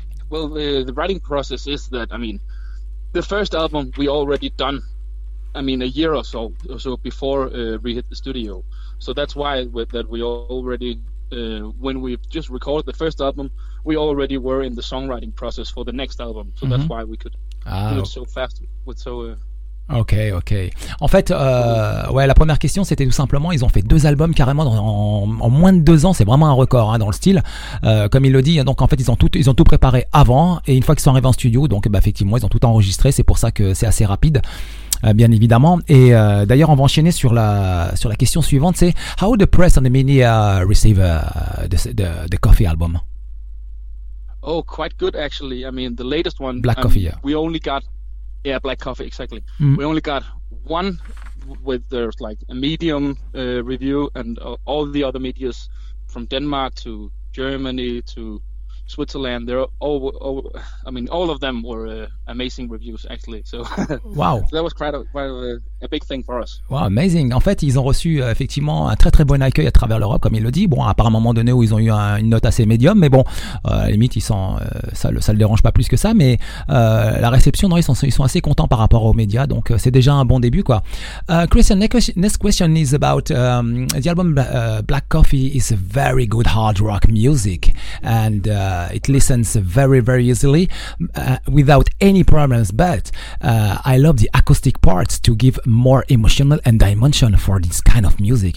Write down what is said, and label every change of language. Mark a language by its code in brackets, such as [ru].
[en] Well, the writing process is that, I mean, the first album we already done, I mean, a year or so before we hit the studio. So that's why when we just recorded the first album, we already were in the songwriting process for the next album. So mm-hmm. that's why we could do it so fast with so... Ok. [fr] En fait, la première question, c'était tout simplement, ils ont fait deux albums carrément en moins de 2 ans. C'est vraiment un record dans le style, comme il le dit. Donc en fait, ils ont tout préparé avant, et une fois qu'ils sont arrivés en studio, donc bah, effectivement, ils ont tout enregistré. C'est pour ça que c'est assez rapide, bien évidemment. Et d'ailleurs, on va enchaîner sur la question suivante. [en] C'est how the press and the media receive the Coffee album? Oh, quite good actually. I mean, the latest one, Black Coffee. Yeah. We only got. Yeah, Black Coffee, exactly. Mm. We only got one with there's like a medium review, and all the other medias from Denmark to Germany to Switzerland, they're all of them were amazing reviews actually. So wow. So that was quite a big thing for us. Wow, amazing. [fr] En fait, ils ont reçu effectivement un très très bon accueil à travers l'Europe, comme il le dit. Bon, à part un moment donné où ils ont eu une note assez médium, mais bon, limite ils sont ça le dérange pas plus que ça, mais la réception, non, ils sont assez contents par rapport aux médias, donc c'est déjà un bon début quoi. [en] Christian, next question is about the album Black Coffee is very good hard rock music, and it listens very, very easily without any problems. But I love the acoustic parts to give more emotional and dimension for this kind of music.